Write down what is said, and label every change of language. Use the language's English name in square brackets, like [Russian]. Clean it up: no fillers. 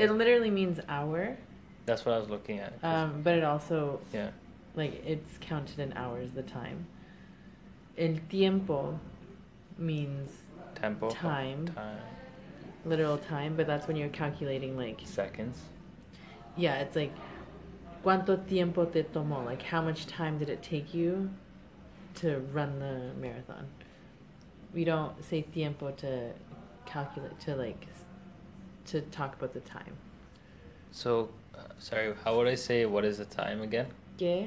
[English] it literally means hour. That's what I was looking at. But it also, yeah, like, it's counted in hours, the time. El tiempo means tempo, time. Oh, time. Literal time, but that's when you're calculating, like... Seconds? Yeah, it's like, [Spanish] ¿cuánto tiempo te tomó? [English] Like, how much time did it take you to run the marathon? We don't say tiempo to calculate, to, like, to talk about the time. So, sorry, how would I say what is the time again? [Spanish] ¿Qué?